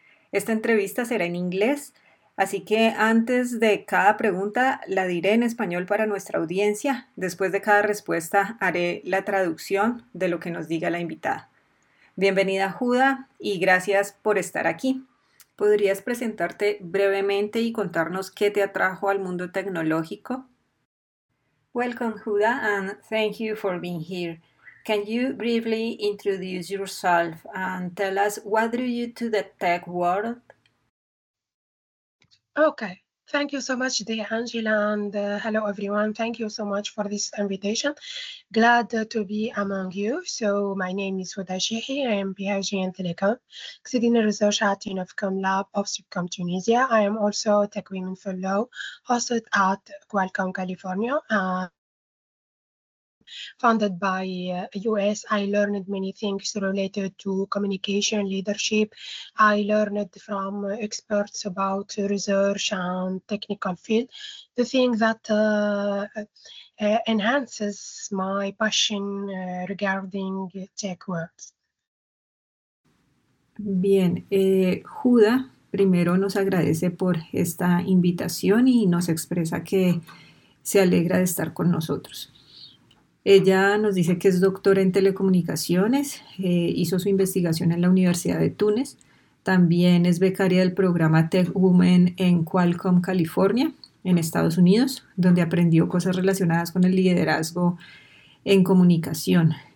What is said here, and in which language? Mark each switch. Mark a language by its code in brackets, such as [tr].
[es] Esta entrevista será en inglés, así que antes de cada pregunta la diré en español para nuestra audiencia. Después de cada respuesta haré la traducción de lo que nos diga la invitada. Bienvenida, Huda, y gracias por estar aquí. ¿Podrías presentarte brevemente y contarnos qué te atrajo al mundo tecnológico? [en] Welcome, Huda, and thank you for being here. Can you briefly introduce yourself and tell us what drew you to the tech world? Okay, thank you so much, DeAngela, and hello, everyone. Thank you so much for this invitation. Glad to be among you. So my name is Huda Chihi. I am PhD in Telecom, Senior Research at Unifcom Lab of Subcom Tunisia. I am also a Tech Women Fellow hosted at Qualcomm California. Founded by US, I learned many things related to communication leadership. I learned from experts about research and technical field. The thing that enhances my passion regarding tech world. [es] Bien, Huda primero nos agradece por esta invitación y nos expresa que se alegra de estar con nosotros. Ella nos dice que es doctora en telecomunicaciones, hizo su investigación en la Universidad de Túnez, también es becaria del programa Tech Women en Qualcomm, California, en Estados Unidos, donde aprendió cosas relacionadas con el liderazgo en comunicación.